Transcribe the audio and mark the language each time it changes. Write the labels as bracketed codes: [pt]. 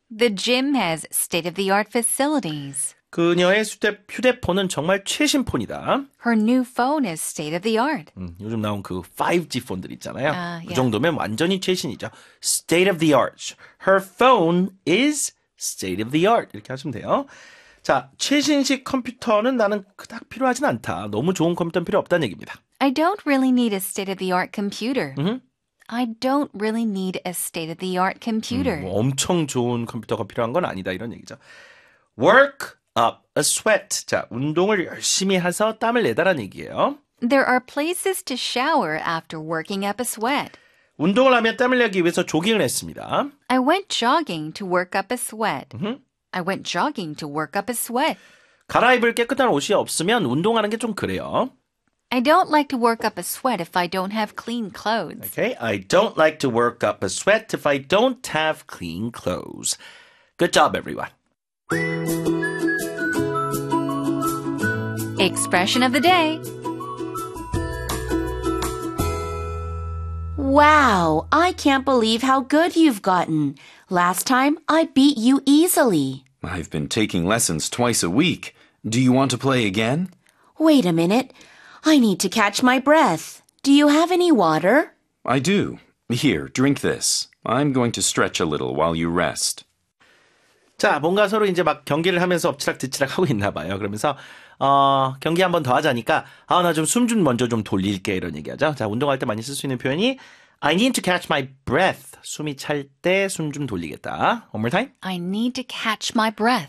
[en] The gym has state-of-the-art facilities. [ko] 그녀의 휴대폰은 정말 최신 폰이다. [en] Her new phone is state-of-the-art. [ko] 요즘 나온 그 5G폰들 있잖아요. 그 정도면 완전히 최신이죠. [en] State-of-the-art. Her phone is state-of-the-art. [ko] 이렇게 하시면 돼요. 자, 최신식 컴퓨터는 나는 그닥 필요하진 않다. 너무 좋은 컴퓨터는 필요 없다는 얘기입니다. [en] I don't really need a state-of-the-art computer. Mm-hmm. I don't really need a state-of-the-art computer. [ko] 뭐 엄청 좋은 컴퓨터가 필요한 건 아니다 이런 얘기죠. [en] Work up a sweat. [ko] 자, 운동을 열심히 해서 땀을 내다라는 얘기예요. [en] There are places to shower after working up a sweat. [ko] 운동을 하면 땀을 내기 위해서 조깅을 했습니다. [en] I went jogging to work up a sweat. Mm-hmm. I went jogging to work up a sweat. [ko] 갈아입을 깨끗한 옷이 없으면 운동하는 게 좀 그래요. [en] I don't like to work up a sweat if I don't have clean clothes. Okay, I don't like to work up a sweat if I don't have clean clothes. Good job, everyone. Expression of the day. Wow, I can't believe how good you've gotten. Last time, I beat you easily. I've been taking lessons twice a week. Do you want to play again? Wait a minute. I need to catch my breath. Do you have any water? I do. Here, drink this. I'm going to stretch a little while you rest. [ko] 자, 뭔가 서로 이제 막 경기를 하면서 엎치락뒤치락 하고 있나 봐요. 그러면서 경기 한 번 더 하자니까 아, 나 좀 숨 좀 먼저 좀 돌릴게 이런 얘기하죠. 자, 운동할 때 많이 쓸 수 있는 표현이 I need to catch my breath. 숨이 찰 때 숨 좀 돌리겠다. [en] One more time. I need to catch my breath.